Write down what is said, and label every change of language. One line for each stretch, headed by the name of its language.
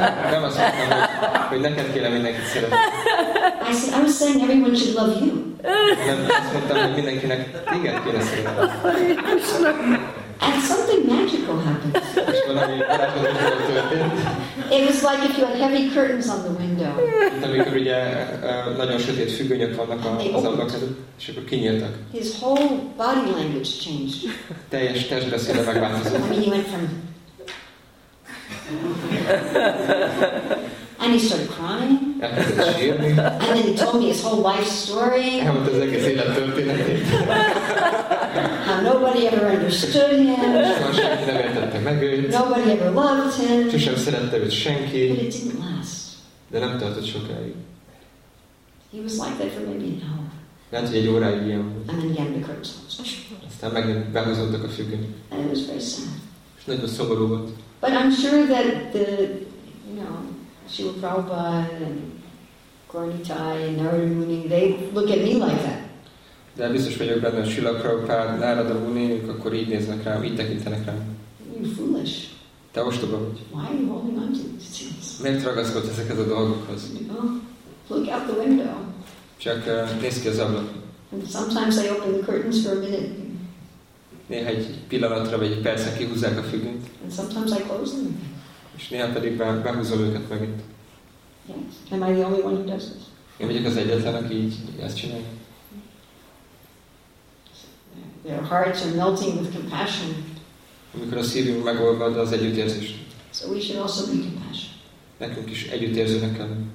Hungarian: Nem azt mondtam, hogy neked kéne mindenkit szeretni.
English: I was saying everyone should love you.
Hungarian: Nem azt mondtam, hogy mindenkinek téged kéne szeretni.
English: And something magical happened. It was like if you had heavy curtains on the window.
Hungarian: Amikor ugye nagyon sötét függönyök vannak az ablakon, és akkor kinyíltak.
English: His whole body language changed.
Hungarian: Teljes testbeszéde megváltozott.
English: I mean, he went from... And he started crying. And then he told me his whole life story. How nobody ever understood him. Nobody ever loved him.
Hungarian: Sosem szerette őt senki.
English: But it didn't last.
Hungarian: De nem tartott sokáig.
English: He was like that for maybe an hour.
Hungarian: Lehet, hogy egy óráig ilyen volt.
English: And then again the curtains.
Hungarian: Aztán megint behúzódtak a függöny.
English: And it was very sad.
Hungarian: És nagyon szomorú volt.
English: But I'm sure that the, you know, Srila Prabhupada and Gaurinitai and Narada Muni, they look at me like that.
Hungarian: De biztos vagyok benne, hogy Srila Prabhupada, Narada Muni, akkor így néznek rám, így tekintenek rám.
English: You foolish.
Hungarian: Te ostoba vagy.
English: Why are you holding on to these things?
Hungarian: Miért ragaszkodsz ezeket a dolgokhoz?
English: Oh, look out the window.
Hungarian: Csak nézd ki az ablak.
English: And sometimes I open the curtains for a minute.
Hungarian: Néha egy pillanatra vagy egy percre kihúzzák a függönyt.
English: And sometimes I close them.
Hungarian: És néha pedig behúzol őket megint.
English: Yes. Am I the only one who does this?
Hungarian: Én vagyok az egyetlen, aki így ezt csinálja.
English: Their hearts are melting with compassion.
Hungarian: Amikor a szívünk megolvad az együttérzést.
English: So we should also be compassion.
Hungarian: Nekünk is együttérzőnek kell.